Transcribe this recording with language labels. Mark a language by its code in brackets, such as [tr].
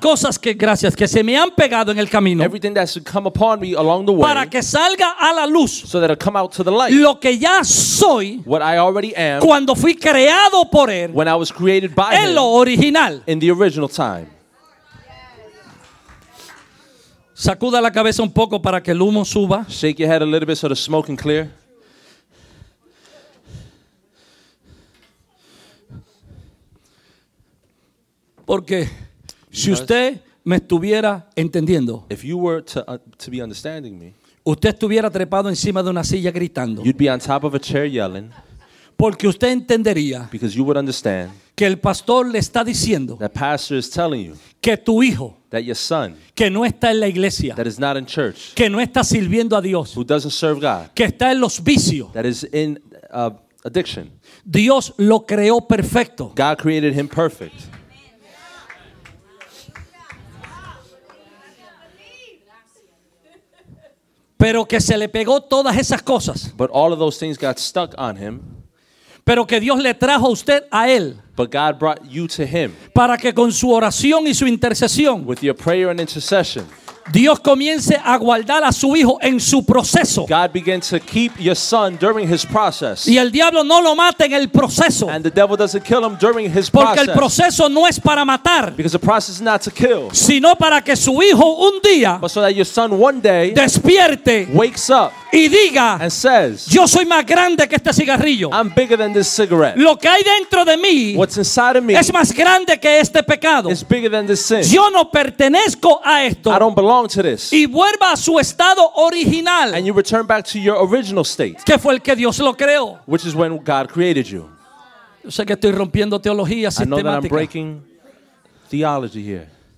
[es] cosas que gracias que se me han pegado en el camino, [en] everything that's come upon me along the way, [es] para que salga a la luz, [en] so that it'll come out to the light, [es] lo que ya soy, [en] what I already am, [es] cuando fui creado por él, [en] when I was created by [es] en lo original, [en] in the original time. [es] Sacuda la cabeza un poco para que el humo suba. [en] Shake your head a little bit so the smoke can clear. [es] Porque si usted me estuviera entendiendo, [en] if you were to be understanding me, [es] usted estuviera trepado encima de una silla gritando, [en] you'd be on top of a chair yelling, [es] porque usted entendería, [en] because you would understand, [es] que el pastor le está diciendo, [en] that pastor is telling you, [es] que tu hijo, [en] that your son, [es] que no está en la iglesia, [en] that is not in church, [es] que no está sirviendo a Dios, [en] who doesn't serve God, [es] que está en los vicios, [en] that is in addiction. [es] Dios lo creó perfecto. [en] God created him perfect. [es] Pero que se le pegó todas esas cosas. [en] But all of those things got stuck on him. [es] Pero que Dios le trajo a usted a él. [en] But God brought you to him. [es] Para que con su oración y su intercesión. [en] With your prayer and intercession. [es] Dios comience a guardar a su hijo en su proceso. [en] God began to keep your son during his process. [es] Y el diablo no lo mate en el proceso. [en] And the devil doesn't kill him during his [es] Porque [en] process. [es] Porque el proceso no es para matar. [en] Because the process is not to kill. [es] Sino para que su hijo un día. [en] But so that your son one day. [es] Despierte. [en] Wakes up. [es] Y diga. [en] And says. [es] Yo soy más grande que este cigarrillo. [en] I'm bigger than this cigarette. [es] Lo que hay dentro de mí. [en] What's inside of me. [es] Es más grande que este pecado. [en] It's bigger than this sin. [es] Yo no pertenezco a esto. [en] I don't belong. To this. [es] Y vuelva a su estado original. [en] And you return back to your original state. [es] Que fue el que Dios lo creó. [en] Which is when God created you. [es] Yo sé que estoy rompiendo teología sistemática. [en] I know that I'm breaking theology here.